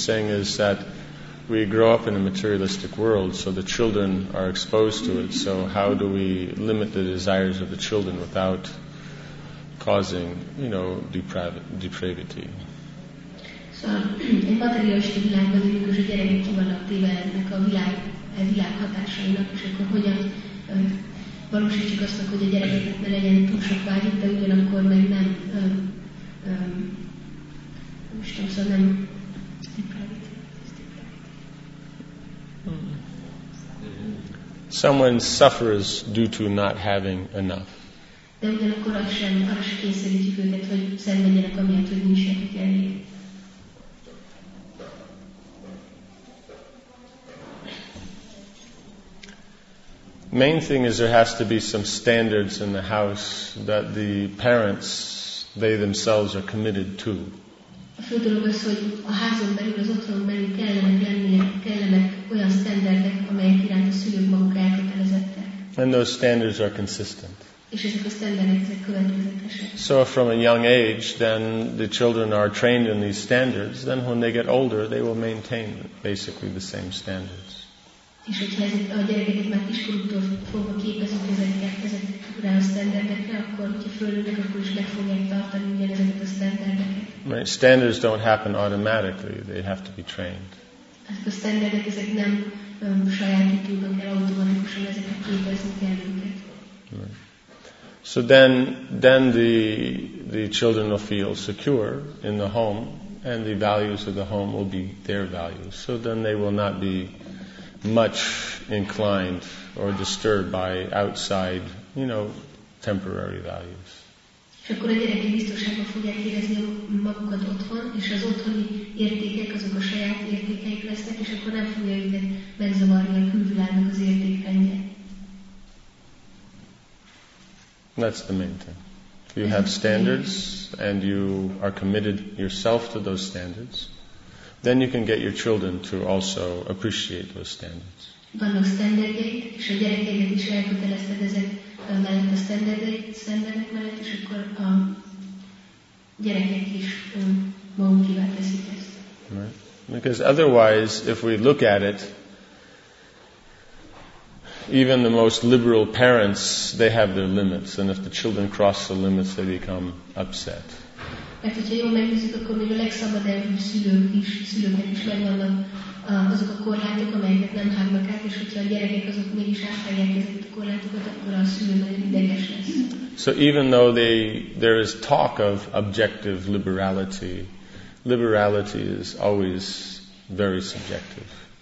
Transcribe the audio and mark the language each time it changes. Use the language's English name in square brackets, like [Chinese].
[English] Saying is that we grow up in a materialistic world, so the children are exposed to it. So how do we limit the desires of the children without causing, you know, depravity? [Hungarian] Szóval egy materialista világban élünk, és a gyerekek ki vannak téve ennek a világ hatásainak, és akkor hogyan valósítsuk azt, hogy a gyerekeknek ne legyen túl sok vágyuk, de ugyanakkor meg nem, nem is tudom, szóval nem depravity. [English] Someone suffers due to not having enough. [Hungarian] De ugyanakkor az sem arra se kényszerítjük őket, hogy szenvedjenek, amiatt, hogy nincs nekik elég. [English] Main thing is there has to be some standards in the house that the parents, they themselves, are committed to. [Hungarian] A fő dolog az, hogy a házon belül, az otthonon belül kellenek olyan standardek, amelyek iránt a szülők maguk elkötelezettek. [English] And those standards are consistent. [Hungarian] És ezek a standardek következetesek. [English] So from a young age, then the children are trained in these standards. Then when they get older, they will maintain basically the same standards. [Hungarian] És hogyha ezek a gyerekeket már kiskorúktól fogva képezünk ezekre a standardekre, akkor hogyha fölülnek, akkor is meg fogják tartani ugyanezeket a standardeket. [English] Right. Standards don't happen automatically, they have to be trained. [Hungarian] Ezek a standardek, ezek nem sajátítódnak el automatikusan, ezeket képezni kell őket. [English] So then the children will feel secure in the home, and the values of the home will be their values. So then they will not be much inclined or disturbed by outside, you know, temporary values. [Hungarian] És akkor a gyerekek biztonságban fogják érezni magukat otthon, és az otthoni értékek azok a saját értékeik lesznek, és akkor nem fogja őket megzavarni a külvilágnak az értékrendje. [English] That's the main thing. You have standards and you are committed yourself to those standards. Then you can get your children to also appreciate those standards. [Hungarian] Vannak standardjaid, és a gyerekeket is elkötelezted ezek mellett a standardek mellett, és akkor a gyerekek is magukivá teszik ezt. [English] Right. Because otherwise, if we look at it, even the most liberal parents, they have their limits, and if the children cross the limits, they become upset. [Hungarian] Mert hogyha jól megnézzük, akkor még a legszabadelvűbb szülőknek is megvannak azok a korlátok, amelyeket nem hágnak át, és hogyha a gyerekek azok mégis átfelják ezeket a korlátokat, akkor a szülő nagyon ideges lesz. [English] So even though there is talk of objective liberality, liberality is always very subjective.